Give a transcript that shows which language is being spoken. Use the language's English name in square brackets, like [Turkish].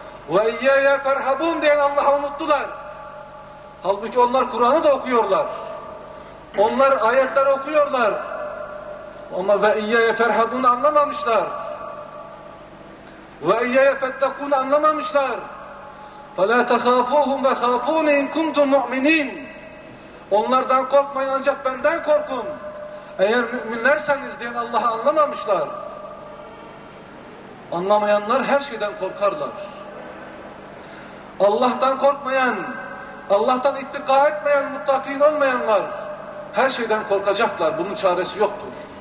[Arabic] Ve iyyâye ferhabûn [Turkish] diyen Allah'ı unuttular. Halbuki onlar Kur'an'ı da okuyorlar. Onlar ayetleri okuyorlar. Ama [Arabic] ve iyyâye ferhabûn [Turkish] anlamamışlar. [Arabic] Ve iyyâye fettekûn [Turkish] anlamamışlar. [Arabic] فَلَا تَخَافُوهُمْ وَخَافُونِ اِنْ كُمْتُمْ مُؤْمِنِينَ [Turkish] Onlardan korkmayın ancak benden korkun. Eğer müminlerseniz diyen Allah'ı anlamamışlar. Anlamayanlar her şeyden korkarlar. Allah'tan korkmayan, Allah'tan ittika etmeyen, muttakîn olmayanlar her şeyden korkacaklar. Bunun çaresi yoktur.